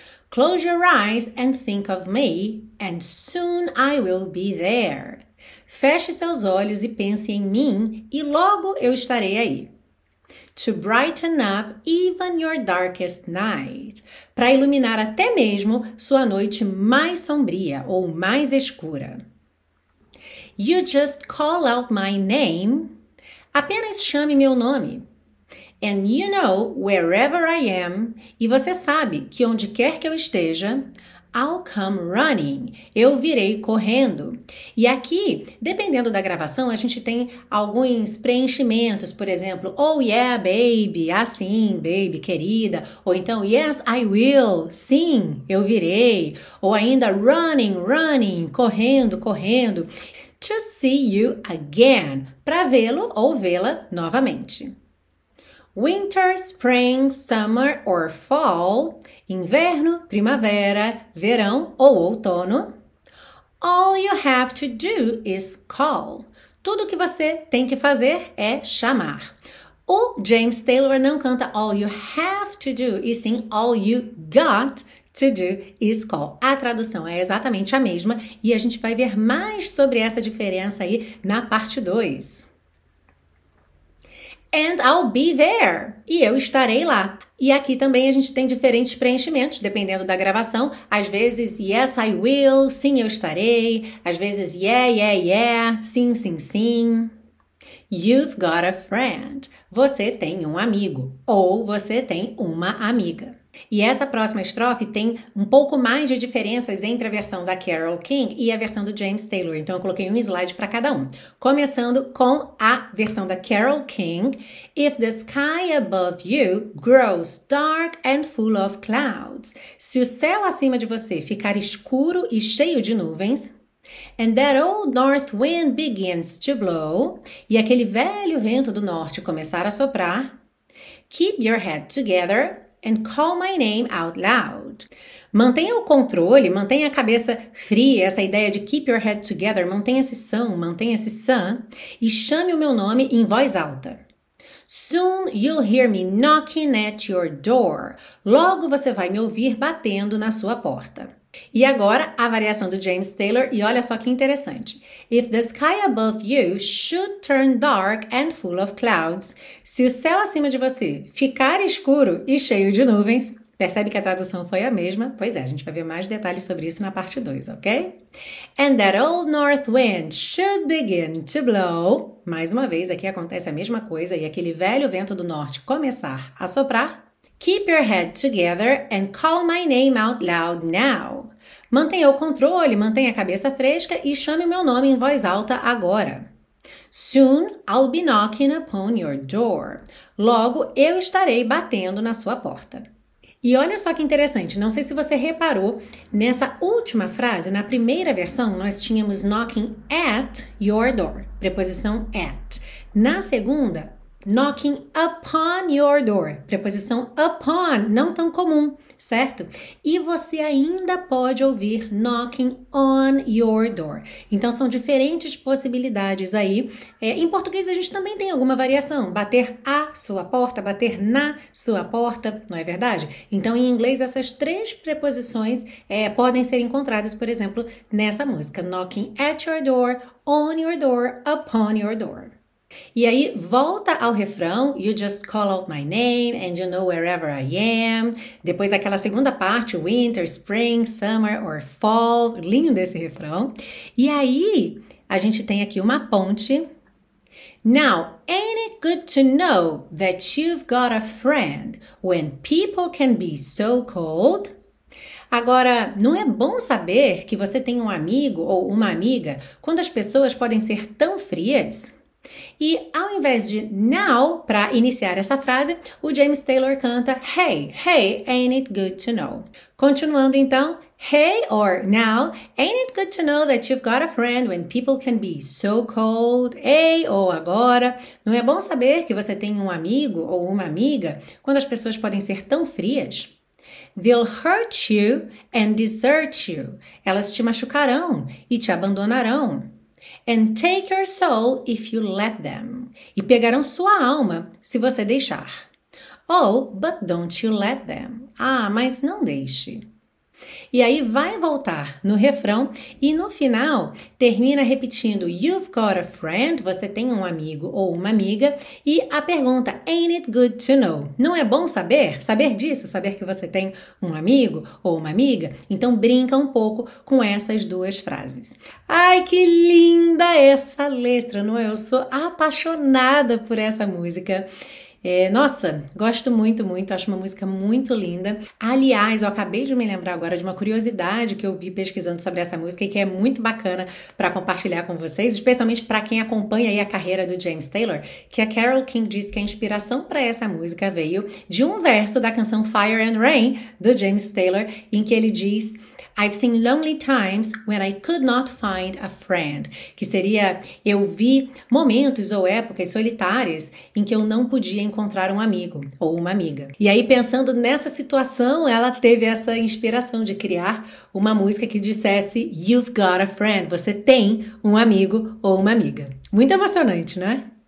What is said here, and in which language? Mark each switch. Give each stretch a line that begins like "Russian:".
English: Close your eyes and think of me, and soon I will be there.
Portuguese: Feche seus olhos e pense em mim, e logo eu estarei aí.
English: To brighten up even your darkest night.
Portuguese: Para iluminar até mesmo sua noite mais sombria ou mais escura.
English: You just call out my name.
Portuguese: Apenas chame meu nome.
English: And you know, wherever I am,
Portuguese: e você sabe que onde quer que eu esteja,
English: I'll come running,
Portuguese: eu virei correndo. E aqui, dependendo da gravação, a gente tem alguns preenchimentos, por exemplo,
English: oh yeah, baby,
Portuguese: assim, baby, querida, ou então,
English: yes, I will,
Portuguese: sim, eu virei, ou ainda,
English: running,
Portuguese: correndo,
English: to see you again,
Portuguese: para vê-lo ou vê-la novamente.
English: Winter, spring, summer or fall,
Portuguese: inverno, primavera, verão ou outono.
English: All you have to do is call.
Portuguese: Tudo que você tem que fazer é chamar. O James Taylor não canta
English: all you have to do,
Portuguese: e sim
English: all you got to do is call.
Portuguese: A tradução é exatamente a mesma e a gente vai ver mais sobre essa diferença aí na parte 2.
English: And I'll be there.
Portuguese: E eu estarei lá. E aqui também a gente tem diferentes preenchimentos, dependendo da gravação. Às vezes,
English: yes, I will.
Portuguese: Sim, eu estarei. Às vezes,
English: yeah, yeah, yeah.
Portuguese: Sim, sim, sim.
English: You've got a friend.
Portuguese: Você tem um amigo. Ou você tem uma amiga. E essa próxima estrofe tem um pouco mais de diferenças entre a versão da Carole King e a versão do James Taylor. Então, eu coloquei um slide para cada um. Começando com a versão da Carole King.
English: If the sky above you grows dark and full of clouds.
Portuguese: Se o céu acima de você ficar escuro e cheio de nuvens.
English: And that old north wind begins to blow.
Portuguese: E aquele velho vento do norte começar a soprar.
English: Keep your head together. And call my name out loud.
Portuguese: Mantenha o controle, mantenha a cabeça fria, essa ideia de
English: keep your head together,
Portuguese: mantenha-se sã, e chame o meu nome em voz alta.
English: Soon you'll hear me knocking at your door.
Portuguese: Logo você vai me ouvir batendo na sua porta. E agora a variação do James Taylor, e olha só que interessante.
English: If the sky above you should turn dark and full of clouds,
Portuguese: se o céu acima de você ficar escuro e cheio de nuvens, percebe que a tradução foi a mesma? Pois é, a gente vai ver mais detalhes sobre isso na parte 2, ok?
English: And that old north wind should begin to blow,
Portuguese: mais uma vez aqui acontece a mesma coisa, e aquele velho vento do norte começar a soprar.
English: Keep your head together and call my name out loud now.
Portuguese: Mantenha o controle, mantenha a cabeça fresca e chame o meu nome em voz alta agora.
English: Soon I'll be knocking upon your door.
Portuguese: Logo eu estarei batendo na sua porta. E olha só que interessante, não sei se você reparou, nessa última frase, na primeira versão, nós tínhamos
English: knocking at your door,
Portuguese: preposição at. Na segunda,
English: knocking upon your door,
Portuguese: preposição upon, não tão comum, certo? E você ainda pode ouvir
English: knocking on your door.
Portuguese: Então, são diferentes possibilidades aí. Em português, a gente também tem alguma variação. Bater à sua porta, bater na sua porta, não é verdade? Então, em inglês, essas três preposições podem ser encontradas, por exemplo, nessa música.
English: Knocking at your door, on your door, upon your door.
Portuguese: E aí, volta ao refrão,
English: you just call out my name and you know wherever I am.
Portuguese: Depois, aquela segunda parte,
English: winter, spring, summer or fall.
Portuguese: Lindo esse refrão. E aí, a gente tem aqui uma ponte.
English: Now, ain't it good to know that you've got a friend when people can be so cold?
Portuguese: Agora, não é bom saber que você tem um amigo ou uma amiga quando as pessoas podem ser tão frias? E ao invés de now, para iniciar essa frase, o James Taylor canta
English: hey, hey, ain't it good to know?
Portuguese: Continuando então,
English: hey or now, ain't it good to know that you've got a friend when people can be so cold?
Portuguese: Hey ou agora, não é bom saber que você tem um amigo ou uma amiga quando as pessoas podem ser tão frias?
English: They'll hurt you and desert you.
Portuguese: Elas te machucarão e te abandonarão.
English: And take your soul if you let them.
Portuguese: E pegarão sua alma se você deixar.
English: Oh, but don't you let them.
Portuguese: Ah, mas não deixe. E aí vai voltar no refrão e no final termina repetindo
English: you've got a friend,
Portuguese: você tem um amigo ou uma amiga, e a pergunta
English: ain't it good to know?
Portuguese: Não é bom saber disso, saber que você tem um amigo ou uma amiga? Então brinca um pouco com essas duas frases. Ai, que linda essa letra, não é? Eu sou apaixonada por essa música. Nossa, gosto muito, muito, acho uma música muito linda. Aliás, eu acabei de me lembrar agora de uma curiosidade que eu vi pesquisando sobre essa música e que é muito bacana para compartilhar com vocês, especialmente para quem acompanha aí a carreira do James Taylor, que a Carole King diz que a inspiração para essa música veio de um verso da canção Fire and Rain, do James Taylor, em que ele diz...
English: I've seen lonely times when I could not find a friend.
Portuguese: Que seria, eu vi momentos ou épocas solitárias em que eu não podia encontrar um amigo ou uma amiga. E aí, pensando nessa situação, ela teve essa inspiração de criar uma música que dissesse
English: You've got a friend.
Portuguese: Você tem um amigo ou uma amiga. Muito emocionante, não é?